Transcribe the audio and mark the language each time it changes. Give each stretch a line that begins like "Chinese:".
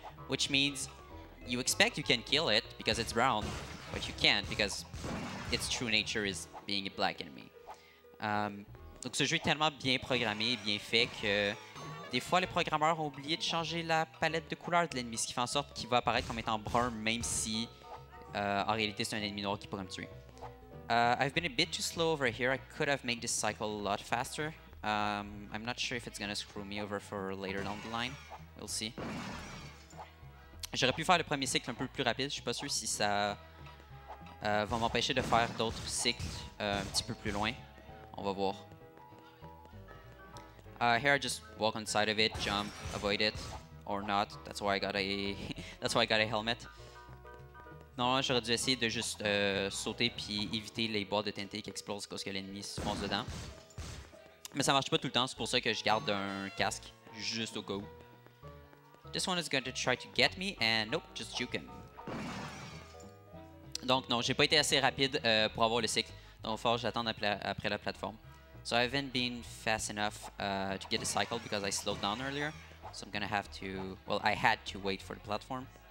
English: Which means you expect you can kill it because it's brown, but you can't because its true nature is being a black enemy.
French: Donc ce jeu est tellement bien programmé et bien fait que des fois, les programmeurs ont oublié de changer la palette de couleur de l'ennemi, ce qui fait en sorte qu'il va apparaître comme étant brun, même si en réalité c'est un ennemi noir qui pourrait me tuer.
English: I've been a bit too slow over here. I could have made this cycle a lot faster. I'm not sure if it's gonna screw me over for later down the line. We'll see.
French: J'aurais pu faire le premier cycle un peu plus rapide. Je suis pas sûr si ça va m'empêcher de faire d'autres cycles un petit peu plus loin. On va voir.
English: Here I just walk inside of it, jump, avoid it, or not. That's why I got a that's why I got a helmet.
French: Non, j'aurais dû essayer de juste sauter puis éviter les boîtes de TNT qui explosent parce que l'ennemi se fonce dedans. Mais ça marche pas tout le temps, c'est pour ça que je garde un casque juste au cas où.
English: This one is going to try to get me and nope, just juke him.
French: Donc non, j'ai pas été assez rapide pour avoir le cycle. Donc fort, j'attends après la plateforme.
English: So I haven't been fast enough to get the cycle because I slowed down earlier. So I'm gonna have to, well, I had to wait for the platform.